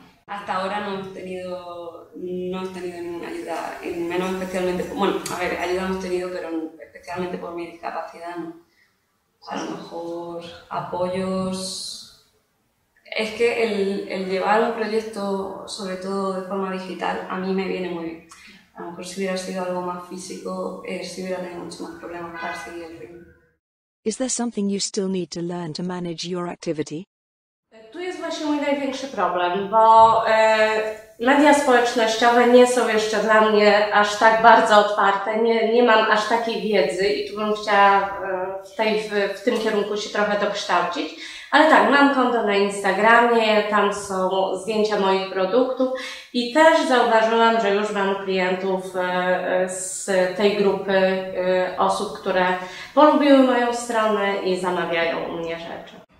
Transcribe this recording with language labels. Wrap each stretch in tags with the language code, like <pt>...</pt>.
<es>Hasta ahora no he tenido ninguna ayuda, menos especialmente, bueno, a ver, ayuda hemos tenido, pero especialmente por mi discapacidad, ¿no? A lo mejor apoyos. Es que el llevar un proyecto, sobre todo de forma digital, a mí me viene muy bien. A lo mejor si hubiera sido algo más físico, si hubiera tenido mucho más problemas para seguir el ritmo.</es> <en>Is there something you still need to learn to manage your activity?</en> <pl>Tu jest właśnie mój największy problem, bo media społecznościowe nie są jeszcze dla mnie aż tak bardzo otwarte, nie mam aż takiej wiedzy i tu bym chciała w tym kierunku się trochę dokształcić. Ale tak, mam konto na Instagramie, tam są zdjęcia moich produktów i też zauważyłam, że już mam klientów z tej grupy osób, które polubiły moją stronę i zamawiają u mnie rzeczy.</pl>